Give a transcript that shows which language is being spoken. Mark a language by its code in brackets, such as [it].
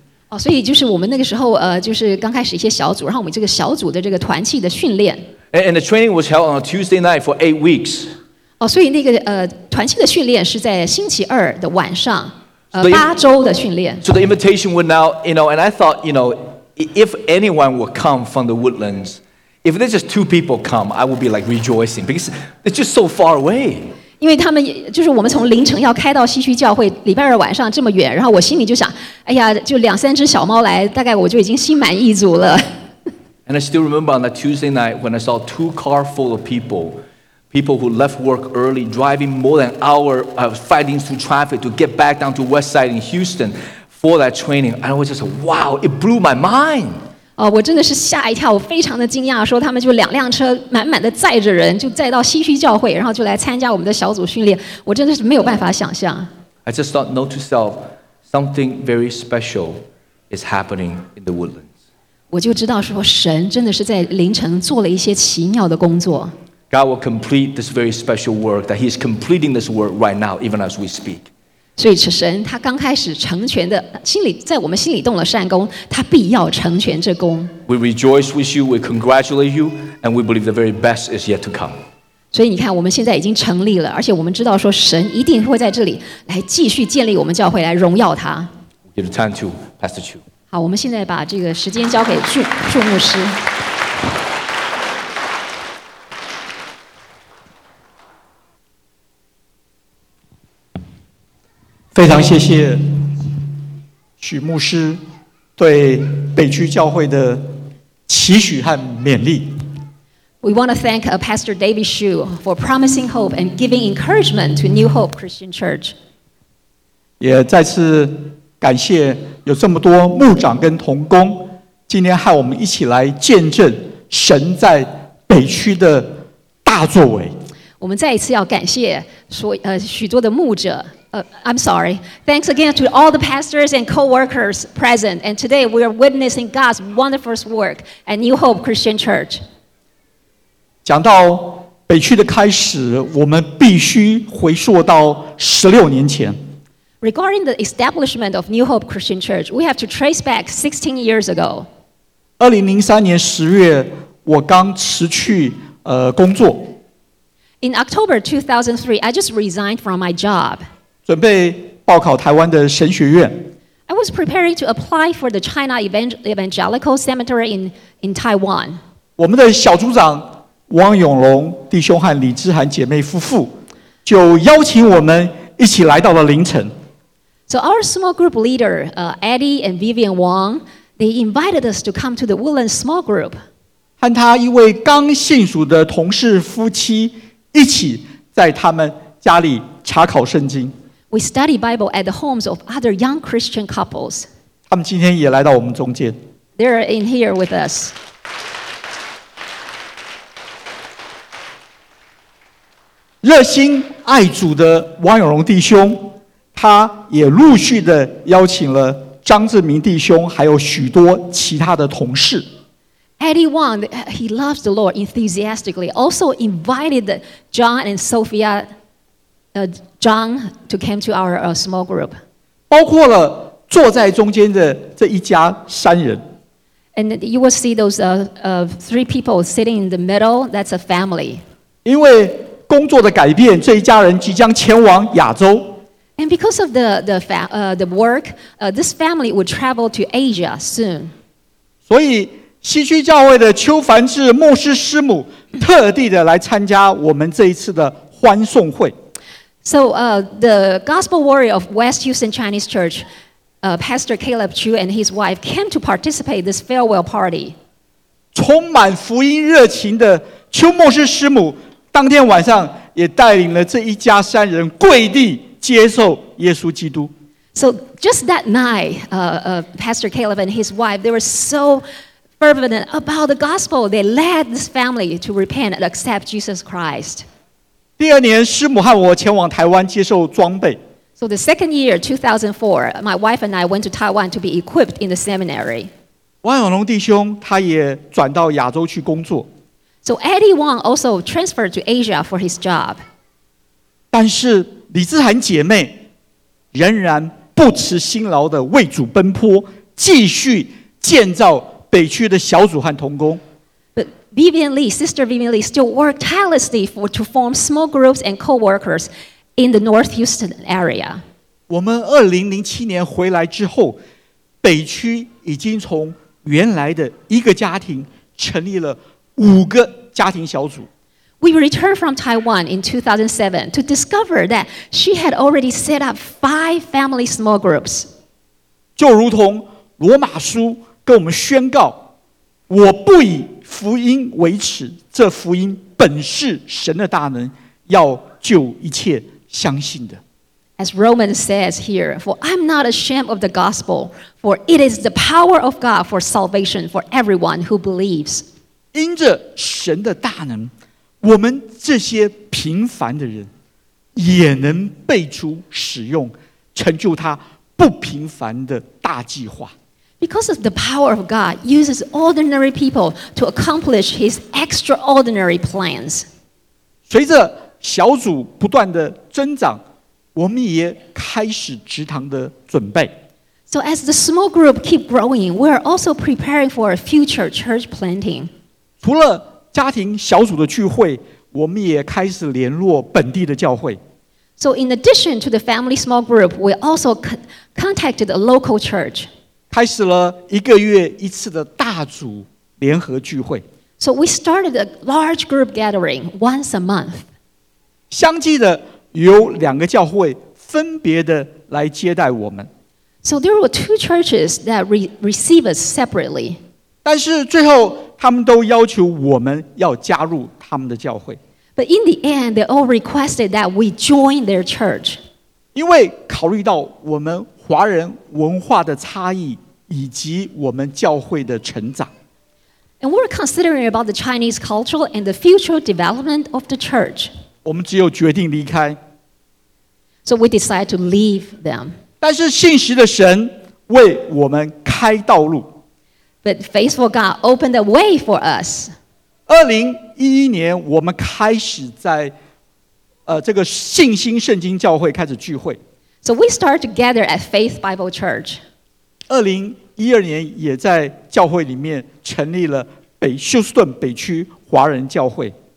[zh] 哦，所以就是我们那个时候就是刚开始一些小组，然后我们这个小组的这个团契的训练。 [en] And the training was held on a Tuesday night for 8 weeks. [zh] 哦，所以那个团契的训练是在星期二的晚上，八周的训练。 [en] So the invitation went out, you know, and I thought, you know, if anyone would come from the Woodlands. If there's just two people come, I would be like rejoicing because it's just so far away. [zh] 因为他们就是我们从凌晨要开到西区教会，礼拜二晚上这么远，然后我心里就想，哎呀，就两三只小猫来，大概我就已经心满意足了。 [en] And I still remember on that Tuesday night when I saw two cars full of people who left work early, driving more than an hour, fighting through traffic to get back down to Westside in Houston for that training. And I was just like, wow, it blew my mind. [zh] 哦，我真的是吓一跳，我非常的惊讶，说他们就两辆车满满的载着人，就载到西区教会，然后就来参加我们的小组训练。我真的是没有办法想象。 [en] I just thought, note to self, something very special is happening in the Woodlands. [zh] 我就知道说，神真的是在凌晨做了一些奇妙的工作。 [en] God will complete this very special work that He is completing this work right now, even as we speak. [zh] 所以神他刚开始成全的心里在我们心里动了善功，他必要成全这功。 [en] We rejoice with you, we congratulate you, and we believe the very best is yet to come. [zh] 所以你看我们现在已经成立了，而且我们知道说神一定会在这里来继续建立我们教会来荣耀他。 [en] Give the time to Pastor Chu. [zh] 好，我们现在把这个时间交给祝牧师。非常谢谢许牧师对北区教会的期许和勉励。 [en] We want to thank Pastor David Hsu for promising hope and giving encouragement to New Hope Christian Church. [zh] 也再次感谢有这么多牧长跟同工，今天和我们一起来见证神在北区的大作为。我们再一次要感谢许多的牧者。 [en] I'm sorry. Thanks again to all the pastors and co-workers present. And today we are witnessing God's wonderful work at New Hope Christian Church. [zh] 讲到北区的开始，我们必须回溯到16年前。 [en] Regarding the establishment of New Hope Christian Church, we have to trace back 16 years ago. [zh] 2003年10月，我刚辞去工作。 [en] In October 2003, I just resigned from my job. [zh] 准备报考台湾的神学院。 [en] I was preparing to apply for the China Evangelical Seminary in Taiwan. [zh] 我们的小组长汪永龙弟兄和李志涵姐妹夫妇就邀请我们一起来到了林城。 [en] So our small group leader, Eddie and Vivian Wong, they invited us to come to the Woodlands small group. [zh] 和他一位刚信主的同事夫妻一起在他们家里查考圣经。 [en] We study Bible at the homes of other young Christian couples. [zh] 他们今天也来到我们中间。 [en] They're in here with us. [zh] 热心爱主的汪永荣弟兄，他也陆续的邀请了张志明弟兄，还有许多其他的同事。 [en] Eddie Wong, he loves the Lord enthusiastically. Also invited John and Sophia, John to come to our small group. [zh] 包括了坐在中间的这一家三人。 [en] And you will see those three people sitting in the middle. That's a family. [zh] 因为工作的改变，这一家人即将前往亚洲。 [en] And because of the work, this family would travel to Asia soon. [zh] 所以西区教会的邱凡志牧师师母特地的来参加我们这一次的欢送会。 [en] So, the Gospel Warrior of West Houston Chinese Church, Pastor Caleb Chu and his wife came to participate this farewell party. [zh] 充满福音热情的邱牧师师母当天晚上也带领了这一家三人跪地接受耶稣基督。 [en] So, just that night, Pastor Caleb and his wife, they were so fervent about the gospel. They led this family to repent and accept Jesus Christ. [zh] 第二年，师母和我前往台湾接受装备。 [en] So, the second year, 2004, my wife and I went to Taiwan to be equipped in the seminary. [zh] 汪永龙弟兄他也转到亚洲去工作。 [en] So, Eddie Wong also transferred to Asia for his job. [zh] 但是李志涵姐妹仍然不辞辛劳的为主奔波，继续建造北区的小组和同工。 [en] But Vivian Lee, Sister Vivian Lee, still worked tirelessly to form small groups and co-workers in the North Houston area. [zh] 我们2007年回来之后，北区已经从原来的一个家庭成立了五个家庭小组。 [en] We returned from Taiwan in 2007 to discover that she had already set up five family small groups. [zh] 就如同罗马书跟我们宣告，我不以福音为耻，这福音本是神的大能，要救一切相信的。 [en] As Romans says here, for I'm not ashamed of the gospel, for it is the power of God for salvation for everyone who believes. [zh] 因着神的大能，我们这些平凡的人也能被主使用，成就他不平凡的大计划。 [en] Because of the power of God, uses ordinary people to accomplish His extraordinary plans. [zh] 随着小组不断的增长，我们也开始职堂的准备。 [en] So as the small group keep growing, we are also preparing for a future church planting. [zh] 除了家庭小组的聚会，我们也开始联络本地的教会。 [en] So in addition to the family small group, we also contacted a local church. [zh] 开始了一个月一次的大组联合聚会。 [en] So we started a large group gathering once a month. [zh] 相继的有两个教会分别的来接待我们。 [en] So there were two churches that received us separately. [zh] 但是最后他们都要求我们要加入他们的教会。 [en] But in the end, they all requested that we join their church. [zh] 因为考虑到我们华人文化的差异以及我们教会的成长。 [en] And we're considering about the Chinese culture and the future development of the church. [zh] 我们只有决定离开。 [en] So we decided to leave them. [zh] 但是信实的神为我们开道路。 [en] But faithful God opened a way for us. [zh] 2011年我们开始在这个信心圣经教会开始聚会。 [en] So we started together at Faith Bible Church. [zh] 2012年也在教会里面成立了休斯顿北区华人教会。